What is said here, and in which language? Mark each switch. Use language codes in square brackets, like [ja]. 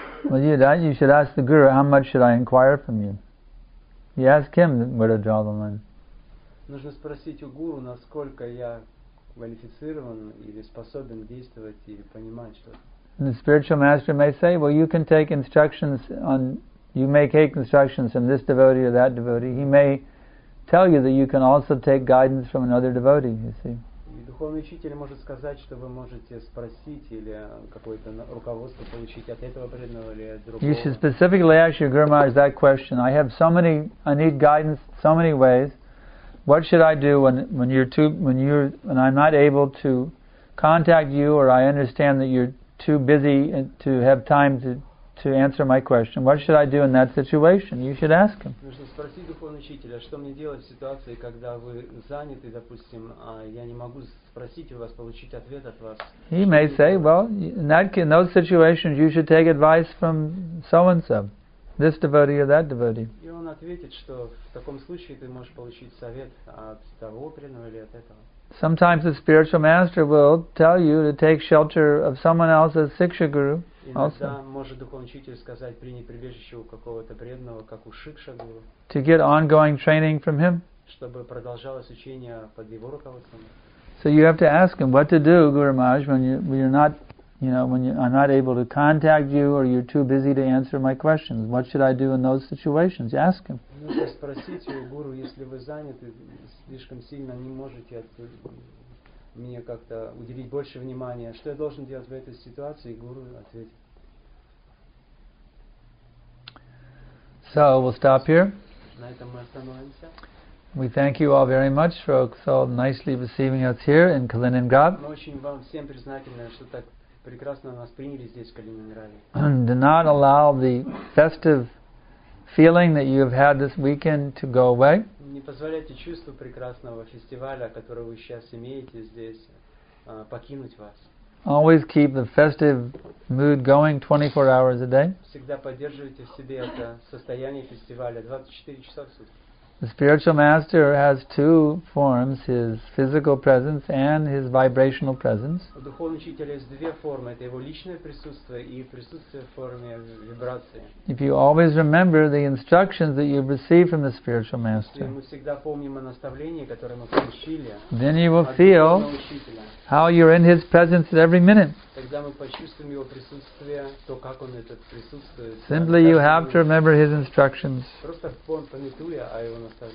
[en] Well, you should ask the guru, how much should I inquire from you? You ask him where to draw the line. [ru] Нужно спросить у гуру, насколько я квалифицирован или способен действовать или понимать что-то. [en] The spiritual master may say, well, you can take instructions on, you may take instructions from this devotee or that devotee. He may tell you that you can also take guidance from another devotee, you see. [ru] И духовный учитель может сказать, что вы можете спросить или какое-то руководство получить от этого преданного или от другого. [en] You should specifically ask your Guru Maharaj that question. I have so many, I need guidance so many ways. What should I do when I'm not able to contact you, or I understand that you're too busy to have time to answer my question? What should I do in that situation? You should ask him. [ru] Нужно спросить духовного учителя, что мне делать в ситуации, когда вы заняты, допустим, а я не могу спросить у вас, получить ответ от вас. [en] He may say, well, in those situations, you should take advice from so-and-so, this devotee or that devotee. [ru] И он ответит, что в таком случае ты можешь получить совет от того преданного или от этого. [en] Sometimes the spiritual master will tell you to take shelter of someone else's siksha guru. [ru] Иногда может духовный учитель сказать, принять прибежище у какого-то преданного, как у шикша гуру. [en] To get ongoing training from him. [ru] Чтобы продолжалось учение под его руководством. [en] So you have to ask him what to do, Guru Maharaj, I'm not able to contact you, or you're too busy to answer my questions. What should I do in those situations? Ask him. [ru] Нужно спросить у гуру, если вы заняты слишком сильно, не можете мне как-то уделить больше внимания. Что я должен делать в этой ситуации? Гуру ответит. [en] So we'll stop here. [ru] На этом мы остановимся. [en] We thank you all very much for so nicely receiving us here in Kaliningrad. [ru] Мы очень вам всем признательны, что так прекрасно нас приняли здесь, в Калининграде. [en] Do not allow the festive feeling that you have had this weekend to go away. [ru] Не позволяйте чувству прекрасного фестиваля, которое вы сейчас имеете здесь, покинуть вас. [en] Always keep the festive mood going 24 hours a day. [ru] Всегда поддерживайте в себе это состояние фестиваля 24 часа в сутки. [en] The spiritual master has two forms, his physical presence and his vibrational presence. [ru] У духовного учителя есть две формы, это его личное присутствие и присутствие в форме вибрации. [en] If you always remember the instructions that you receive from the spiritual master, [ru] если мы всегда помним о наставлении, которое мы получили, [en] then you will feel how you're in his presence at every minute. [ru] Когда мы почувствуем его присутствие, то как он это присутствует. [en] Simply you have to remember his instructions. [ru] Просто помни о его наставлении.